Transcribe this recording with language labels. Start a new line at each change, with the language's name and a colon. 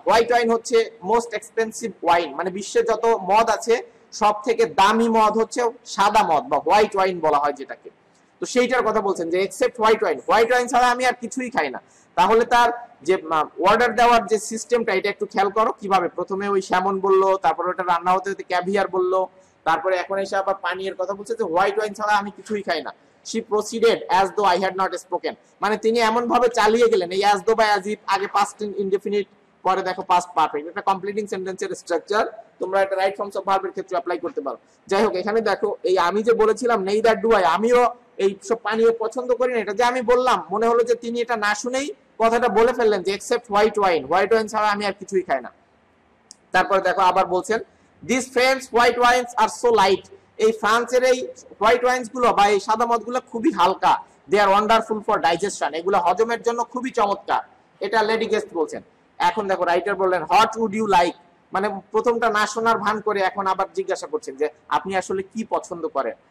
Bangla: White wine হচ্ছে most expensive wine, মানে বিশ্বে যত মদ আছে সব থেকে দামি মদ হচ্ছে সাদা মদ বা হোয়াইট ওয়াইন বলা হয় যেটাকে, তো সেইটার কথা বলছেন যে except white wine, white wine ছাড়া আমি আর কিছুই খাই না। তাহলে তার যে অর্ডার দেওয়ার যে সিস্টেমটা এটা একটু খেয়াল করো কিভাবে, প্রথমে ওই স্যামন বললো, তারপরে ওটা রান্না হতে হতে ক্যাভিয়ার বললো, তারপরে এখন এসে আবার পানির কথা বলছে যে হোয়াইট ওয়াইন ছাড়া আমি কিছুই খাই না।
English: She proceeded as though I had not spoken.
Bangla: মানে তিনি এমন ভাবে চালিয়ে গেলেন, এই as though by as if, আগে past indefinite, পরে দেখো past perfect, এটা completing sentence এর structure, তোমরা এটা right forms of verb এর ক্ষেত্রে apply করতে পারো। যাই হোক এখানে দেখো এই আমি যে বলেছিলাম
English: neither do I,
Bangla: আমিও এই সব পানীয় পছন্দ করি না, এটা যে আমি বললাম মনে হলো যে তিনি এটা না শুনেই কথাটা বলে ফেললেন যে
English: except white wine,
Bangla: white wine ছাড়া আমি আর কিছুই খাই না। তারপরে দেখো আবার বলছেন,
English: these French white wines are so light.
Bangla: এই ফ্রান্সের এই হোয়াইট ওয়াইনস গুলো বা এই সাদা মদ গুলো খুবই হালকা,
English: they are wonderful for digestion,
Bangla: এগুলো হজমের জন্য খুবই চমৎকার, এটা লেডি গেস্ট বলছেন। এখন দেখো রাইটার বললেন,
English: what would you like,
Bangla: মানে প্রথমটা না শোনার ভান করে এখন আবার জিজ্ঞাসা করছেন যে আপনি আসলে কি পছন্দ করেন।